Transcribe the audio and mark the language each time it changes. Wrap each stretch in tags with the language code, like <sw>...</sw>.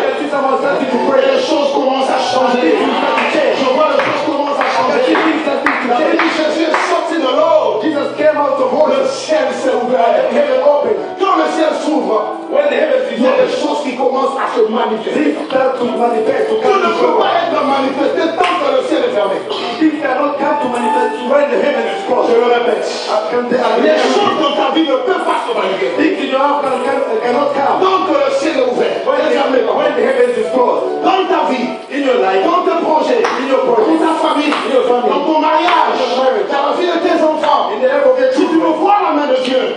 <fr>Les choses commencent à changer. Je vois les choses commencent à changer. Jésus est sorti de l'eau.</fr> <en>Jesus came out of the water.</en> <fr>Le ciel s'est ouvert.</fr> <en>Heaven opened.</en> <fr>Quand le ciel s'ouvre,</fr> <en>when the heavens open,</en> <fr>il y a des choses qui commencent à se manifester.</fr> <en>To manifest.</en> <fr>Tu ne peux pas être manifesté tant que le ciel est fermé.</fr> <en>If you cannot come to manifest when the heaven is closed.</en> <fr>Je le répète. Les choses dans ta vie ne peuvent pas se manifester.</fr> <en>If you don't have, cannot come.</en> <fr>Tant que le ciel est ouvert.</fr> <en>When the heavens is closed.</en> <fr>Dans ta vie.</fr> <en>In your life.</en> <fr>Dans tes projets.</fr> <en>In your projects.</en> <fr>Dans ta famille.</fr> <en>In your family.</en> <fr>Dans ton mariage. Dans la vie de tes enfants, si tu veux voir la main de Dieu,</fr>